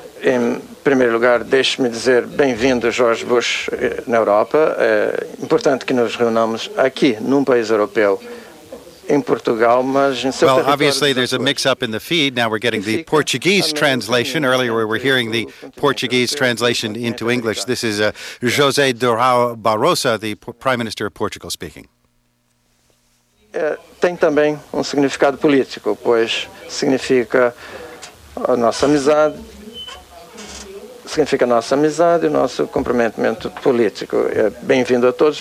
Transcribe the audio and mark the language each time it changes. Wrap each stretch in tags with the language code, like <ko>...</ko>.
<pt>Em primeiro lugar, deixe-me dizer bem-vindo, George Bush, na Europa. É importante que nos reunamos aqui, num país europeu, em Portugal, mas em seu</pt> <en>Well, obviously, there's a mix-up in the feed. Now we're getting the Portuguese translation. Earlier, we were hearing the Portuguese translation into English. This is José Durão Barroso, the Prime Minister of Portugal, speaking.</en> <pt>Tem também significado político, pois significa a nossa amizade, significa a nossa amizade e o nosso comprometimento político. Bem-vindo a todos.</pt>